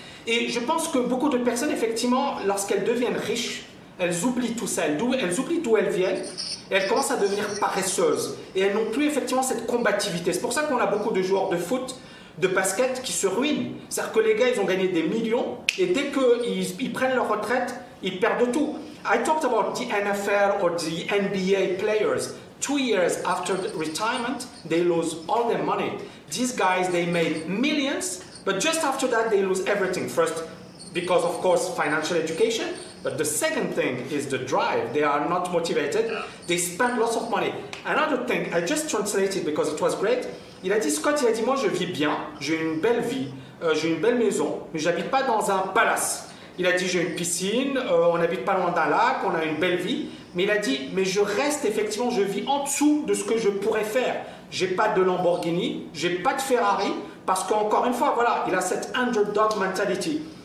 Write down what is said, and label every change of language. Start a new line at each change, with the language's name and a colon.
French: Et je pense que beaucoup de personnes, effectivement, lorsqu'elles deviennent riches, elles oublient tout ça, elles oublient d'où elles viennent, et elles commencent à devenir paresseuses. Et elles n'ont plus effectivement cette combativité. C'est pour ça qu'on a beaucoup de joueurs de foot, de basket qui se ruinent. C'est-à-dire que les gars, ils ont gagné des millions et dès qu'ils prennent leur retraite, ils perdent tout.
English: I talked about the NFL or the NBA players. 2 years after the retirement, they lose all their money. These guys, they made millions, but just after that, they lose everything. First, because of course, financial education. But the second thing is the drive. They are not motivated. They spend lots of money. Another thing, I just translated because it was great.
French: Il a dit, Scott, il a dit, moi, je vis bien, j'ai une belle vie, j'ai une belle maison, mais je n'habite pas dans un palace. Il a dit, j'ai une piscine, on n'habite pas loin d'un lac, on a une belle vie. Mais il a dit, mais je reste, effectivement, je vis en dessous de ce que je pourrais faire. Je n'ai pas de Lamborghini, je n'ai pas de Ferrari, parce qu'encore une fois, voilà, il a cette underdog mentality.